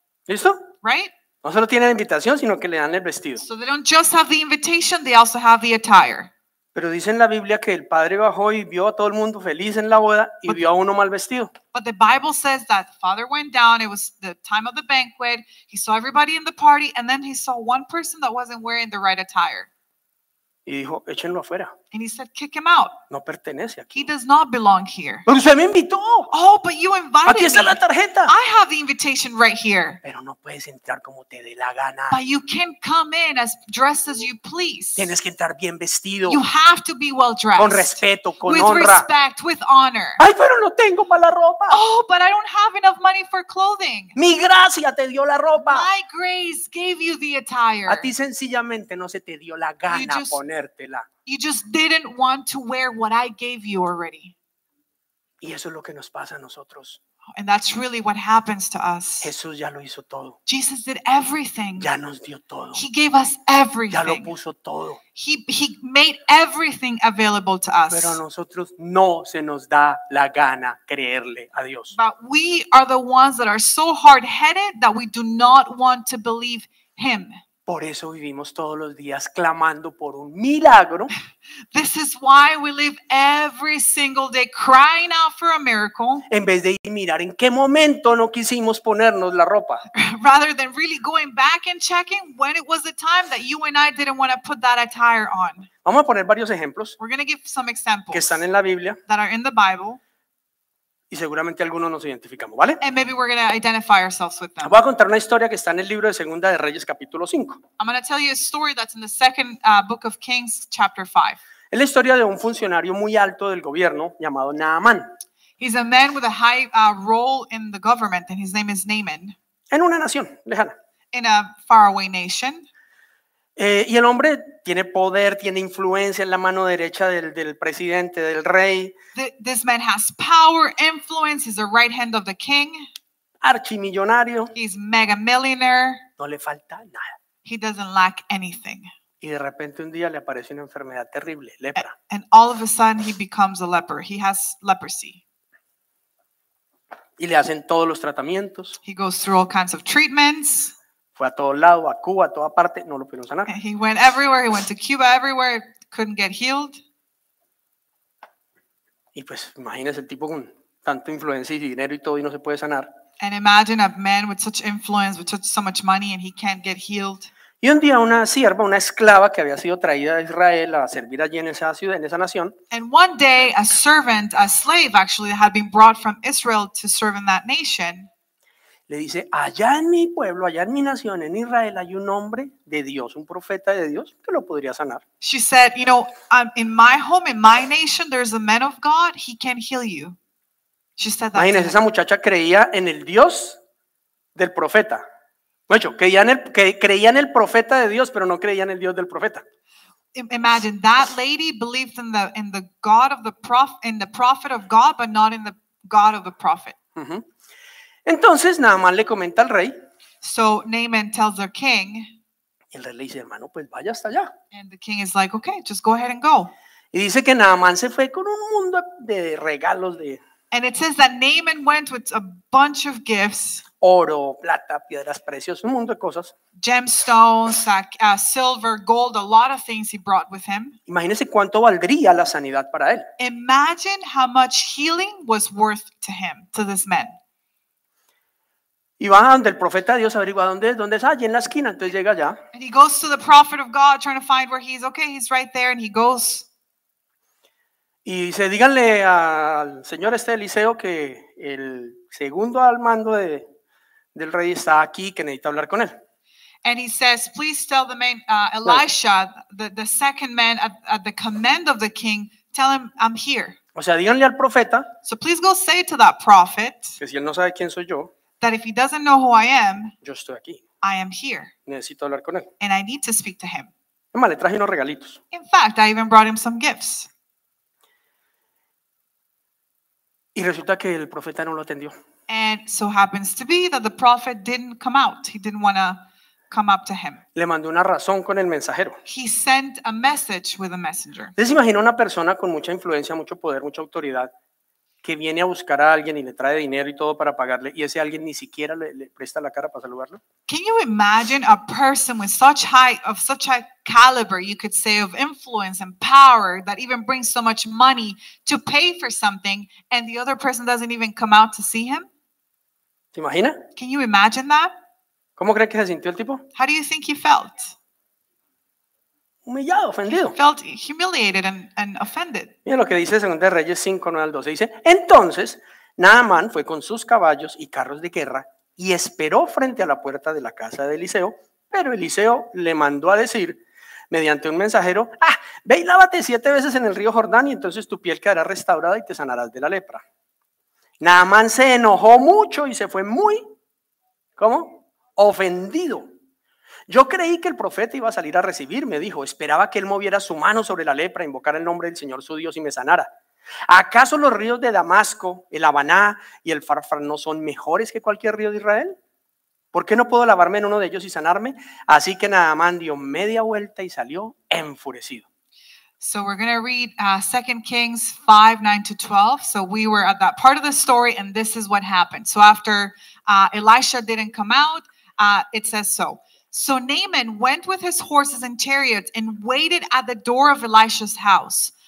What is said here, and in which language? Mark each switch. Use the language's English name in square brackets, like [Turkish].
[Spanish] ¿Listo? [English] Right? [Spanish] No solo tienen la invitación, sino que le dan el vestido. [English] So they don't just have the invitation, they also have the attire. [Spanish] Pero dice en la Biblia que el padre bajó y vio a todo el mundo feliz en la boda y vio a uno mal vestido. [English] But the Bible says that the father went down, it was the time of the banquet, he saw everybody in the party, and then he saw one person that wasn't wearing the right attire. [Spanish] Y dijo, échenlo afuera. [English] And he said, kick him out. [Spanish] No pertenece aquí. [English] He does not belong here. [Spanish] Pero usted me invitó. [English] Oh, but you invited [Spanish] aquí está [English] me. [Spanish] La tarjeta. [English] I have the invitation right here. [Spanish] Pero no puedes entrar como te dé la gana. [English] But you can come in as dressed as you please. [Spanish] Tienes que entrar bien vestido. [English] You have to be well dressed. [Spanish] Con respeto, con [English] with [Spanish] honra. [English] With respect, with honor. [Spanish] Ay, pero no tengo para la ropa. [English] Oh, but I don't have enough money for clothing. [Spanish] Mi gracia te dio la ropa. [English] My grace gave you the attire. [Spanish] A ti sencillamente no se te dio la gana poner. [English] You just didn't want to wear what I gave you already. [Spanish] Y eso es lo que nos pasa a nosotros. [English] And that's really what happens to us. [Spanish] Jesús ya lo hizo todo. [English] Jesus did everything. [Spanish] Ya nos dio todo. [English] He gave us everything. [Spanish] Ya lo puso todo. [English] He made everything available to us. [Spanish] Pero a nosotros no se nos da la gana creerle a Dios. [English] But we are the ones that are so hard-headed that we do not want to believe him. [Spanish] Por eso vivimos todos los días clamando por un milagro. [English] This is why we live every single day crying out for a miracle. [Spanish] En vez de mirar en qué momento no quisimos ponernos la ropa. [English] Rather than really going back and checking when it was the time that you and I didn't want to put that attire on. [Spanish] Vamos a poner varios ejemplos. [English] We're going to give some examples. [Spanish] Que están en la Biblia. [English] That are in the Bible. [Spanish] Y seguramente algunos nos identificamos, ¿vale? [English] And maybe we're going to identify ourselves with them. [Spanish] Voy a contar una historia que está en el libro de Segunda de Reyes, capítulo 5. [English] I'm going to tell you a story that's in the second book of Kings, chapter 5. [Spanish] Es la historia de un funcionario muy alto del gobierno llamado Naamán. [English] He's a man with a high role in the government, and his name is Naaman. [Spanish] En una nación lejana. [English] In a faraway nation. [Spanish] Y el hombre tiene poder, tiene influencia en la mano derecha del presidente, del rey. [English] This man has power, influence, he's the right hand of the king. [Spanish] Archimillonario. [English] He's mega millionaire. [Spanish] No le falta nada. [English] He doesn't lack anything. [Spanish] Y de repente un día le aparece una enfermedad terrible, lepra. [English] And all of a sudden he becomes a leper. He has leprosy. [Spanish] Y le hacen todos los tratamientos. [English] He goes through all kinds of treatments. [Spanish] Fue a todo lado, a Cuba, a toda parte, no lo pudieron sanar. [English] He went everywhere, he went to Cuba, everywhere, couldn't get healed. [Spanish] Y pues imagínese el tipo con tanta influencia y dinero y todo y no se puede sanar. [English] And imagine a man with such influence, with such so much money and he can't get healed. [Spanish] Y un día una sierva, una esclava que había sido traída de Israel a servir allí en esa ciudad, en esa nación. [English] And one day a servant, a slave actually, had been brought from Israel to serve in that nation. [Spanish] Le dice, allá en mi pueblo, allá en mi nación, en Israel, hay un hombre de Dios, un profeta de Dios, que lo podría sanar. [English] She said, you know, in my home, in my nation, there's a man of God, he can heal you. She said that. [Spanish] Imagínese, esa muchacha creía en el Dios del profeta. De hecho, creía en el profeta de Dios, pero no creía en el Dios del profeta. [English] Imagine, that lady believed in the God of the prophet, in the prophet of God, but not in the God of the prophet. [Spanish] Uh-huh. Entonces Naamán le comenta al rey. [English] So Naaman tells the king. [Spanish] El rey le dice, hermano, pues vaya hasta allá. [English] And the king is like, okay, just go ahead and go. [Spanish] Y dice que Naamán se fue con un mundo de regalos de. [English] And it says that Naaman went with a bunch of gifts. [Spanish] Oro, plata, piedras preciosas, un mundo de cosas. [English] Gemstones, silver, gold, a lot of things he brought with him. [Spanish] Imagínese cuánto valdría la sanidad para él. [English] Imagine how much healing was worth to him, to this man. [Spanish] Y va a donde el profeta de Dios averigua dónde es, allí en la esquina, entonces llega allá. [English] And he goes to the prophet of God trying to find where he's. Okay, he's right there and he goes. [Spanish] Y dice, díganle al señor este Eliseo que el segundo al mando del rey está aquí, que necesita hablar con él. [English] And he says, please tell the man Elisha, the second man at the command of the king, tell him I'm here. [Spanish] O sea, díganle al profeta. [English] So please go say to that prophet. [Spanish] Que si él no sabe quién soy yo. [English] That if he doesn't know who I am, [Spanish] yo estoy aquí. [English] I am here. [Spanish] Necesito hablar con él. [English] And I need to speak to him. [Spanish] Además, le traje unos regalitos. [English] In fact, I even brought him some gifts. [Spanish] Y resulta que el profeta no lo atendió. [English] And so happens to be that the prophet didn't come out. He didn't want to come up to him. [Spanish] Le mandó una razón con el mensajero. [English] He sent a message with a messenger. [Spanish] ¿Se imagina una persona con mucha influencia, mucho poder, mucha autoridad que viene a buscar a alguien y le trae dinero y todo para pagarle y ese alguien ni siquiera le presta la cara para saludarlo? [English] Can you imagine a person with such a caliber, you could say, of influence and power that even brings so much money to pay for something and the other person doesn't even come out to see him? [Spanish] ¿Te imagina? [English] Can you imagine that? [Spanish] ¿Cómo crees que se sintió el tipo? [English] How do you think he felt? [Spanish] Humillado, ofendido. [English] He felt humiliated and offended. [Spanish] Mira lo que dice 2 Reyes 5, 9 al 12. Dice, entonces, Naamán fue con sus caballos y carros de guerra y esperó frente a la puerta de la casa de Eliseo, pero Eliseo le mandó a decir, mediante un mensajero, ve y lávate 7 veces en el río Jordán y entonces tu piel quedará restaurada y te sanarás de la lepra. Naamán se enojó mucho y se fue muy, ¿cómo? Ofendido. Yo creí que el profeta iba a salir a recibirme, dijo. Esperaba que él moviera su mano sobre la lepra, invocara el nombre del Señor su Dios y me sanara. ¿Acaso los ríos de Damasco, el Abaná y el Farfar no son mejores que cualquier río de Israel? ¿Por qué no puedo lavarme en uno de ellos y sanarme? Así que Naamán dio media vuelta y salió enfurecido. [English] So we're going to read 2 Kings 5, 9 to 12. So we were at that part of the story and this is what happened. So after Elisha didn't come out, it says so. So Naaman went with his horses and chariots and waited at the door of Elisha's house.